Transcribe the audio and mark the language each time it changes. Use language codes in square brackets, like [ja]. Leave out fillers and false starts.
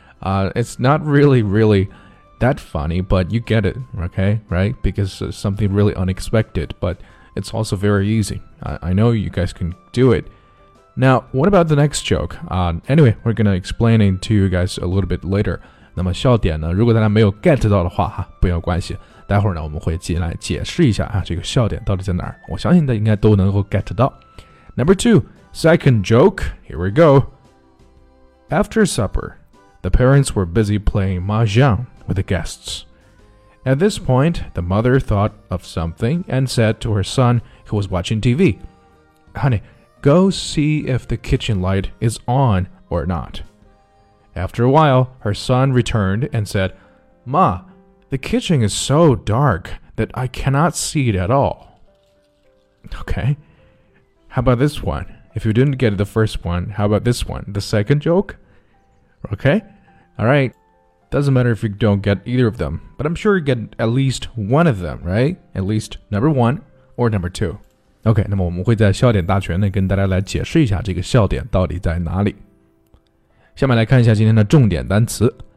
[en] it's not really, really that funny, but you get it, okay, right? Because it's something really unexpected, but it's also very easy. I know you guys can do it. Now, what about the next joke? Anyway, we're going to explain it to you guys a little bit later. [zh] 那么笑点呢，如果大家没有 get 到的话，不要关系。待会儿呢，我们会进来解释一下啊，这个笑点到底在哪儿。我相信大家应该都能够 get 到。 [en] Number two, second joke, here we go. After supper... The parents were busy playing mahjong with the guests. At this point, the mother thought of something and said to her son, who was watching TV, Honey, go see if the kitchen light is on or not. After a while, her son returned and said, Ma, the kitchen is so dark that I cannot see it at all. Okay. How about this one? If you didn't get the first one, how about this one? The second joke? Okay. Alright, doesn't matter if you don't get either of them, but I'm sure you get at least one of them, right? At least number one or number two. [zh] Okay, 那么我们会在笑点大全内跟大家来解释一下这个笑点到底在哪里。下面来看一下今天的重点单词。